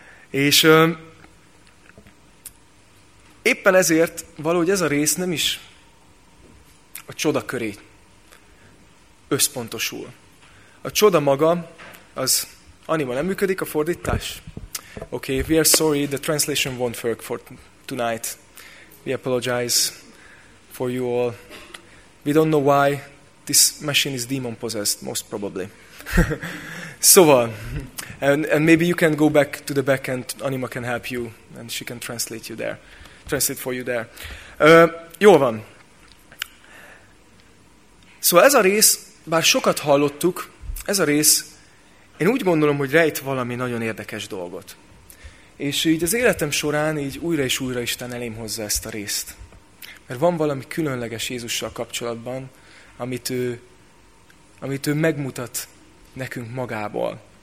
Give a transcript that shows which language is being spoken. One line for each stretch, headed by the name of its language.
Hungarian: És éppen ezért valahogy ez a rész nem is a csoda köré összpontosul. A csoda maga, az anima nem működik a fordítás?
English: Okay, we are sorry, the translation won't work for tonight. We apologize for you all. We don't know why this machine is demon possessed, most probably. Szóval, and maybe you can go back to the back and anima can help you and she can translate for you there.
Hungarian: Jól van. Szóval ez a rész, bár sokat hallottuk, ez a rész, én úgy gondolom, hogy rejt valami nagyon érdekes dolgot. És így az életem során így újra és újra Isten elém hozza ezt a részt. Mert van valami különleges Jézussal kapcsolatban, amit ő megmutat nekünk magából.